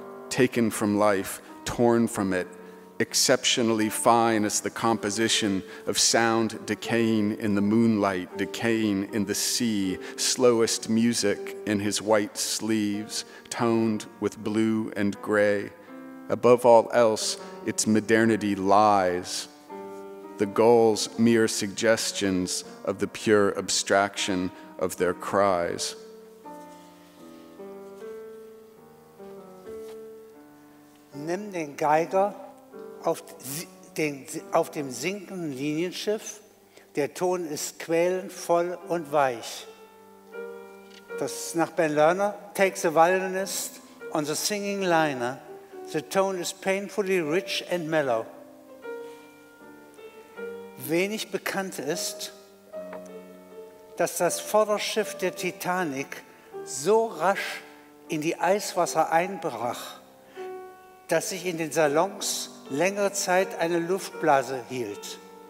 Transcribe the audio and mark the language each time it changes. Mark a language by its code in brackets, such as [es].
[en] Taken from life, torn from it, exceptionally fine as the composition of sound decaying in the moonlight, decaying in the sea, slowest music in his white sleeves, toned with blue and gray. Above all else, its modernity lies. The gulls, mere suggestions of the pure abstraction of their cries. [de] Nimm den Geiger auf dem sinkenden Linienschiff. Der Ton ist quälend, voll und weich. Das ist nach Ben Lerner. [en] Take the violinist on the singing liner. The tone is painfully rich and mellow. [de] Wenig bekannt ist, dass das Vorderschiff der Titanic so rasch in die Eiswasser einbrach, dass sich in den Salons längere Zeit eine Luftblase hielt.